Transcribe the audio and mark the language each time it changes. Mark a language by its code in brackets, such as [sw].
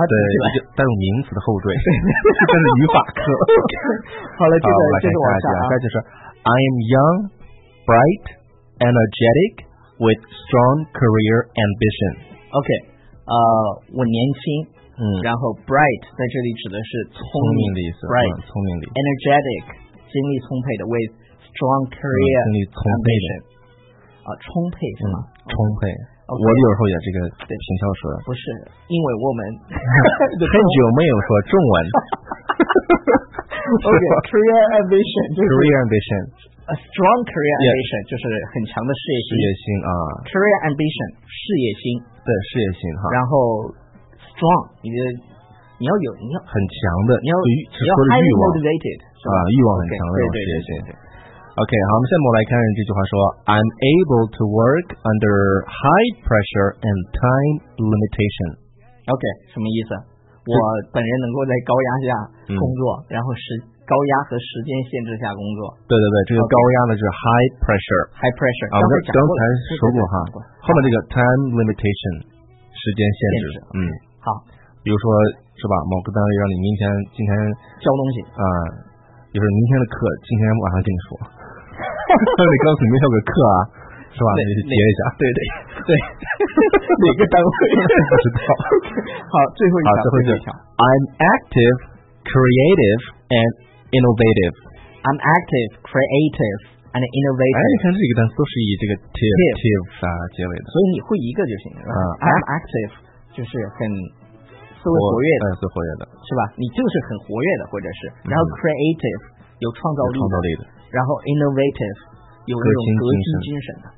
[zh] 对，带有名词的后缀，是真的语法课。好了，接着往下啊，接着就是 [en] I am young, bright, energetic, with strong career ambition。 [zh] OK， 我年轻，嗯，然后 bright 在这里指的是聪明的意思 [en] ，bright、 [zh] 嗯、聪明的 [en] ，energetic [zh] 精力充沛的 [en] ，with strong career、 [zh] 精力充沛的，啊，充沛是吗？嗯、充沛， [en] okay, [zh] 我有时候也这个挺想说的，不是，因为我们很久没有说中文，OK， [en] career ambition [zh] 就是 [en] career ambition。 A strong career ambition、yeah. [zh] 就是很强的事业心。事业心啊。 [en] Career ambition [zh] 事业心。对事业心哈。然后 strong 你要有你要很强的你要对于只说的欲望 [en] motivated [zh] 啊欲望很强的事业心。 Okay, 对对对对对 OK 好我们现在我们来看这句话说 [en] I'm able to work under high pressure and time limitation. [zh] OK 什么意思？我本人能够在高压下工作，嗯、然后是。高压和时间限制下工作。对对对，这个高压的是 [en] high pressure。 Okay, high pressure、 [zh] 刚才说过哈，后面这个 [en] time limitation， [zh] 时间限制。限制嗯，好。比如说是吧，某个单位让你明天今天交东西啊，就是明天的课今天晚上跟你说，你告诉你们有个课啊，是吧？你接一下。对对对，哪个单位？不知道。好，最后一条。好，最后一条。 [en] I'm active, creative and innovative. I'm active, creative, and innovative. [zh] 哎，你看这几个单词都是以这个 tive 啊结尾的，所以你会一个就行了。啊、 [en] I'm active [zh] 就是很思维活跃的，思维活跃的是吧？你就是很活跃的，或者是然后 creative、嗯、有创造力的，创造力的，然后 innovative 有那种革新精神的。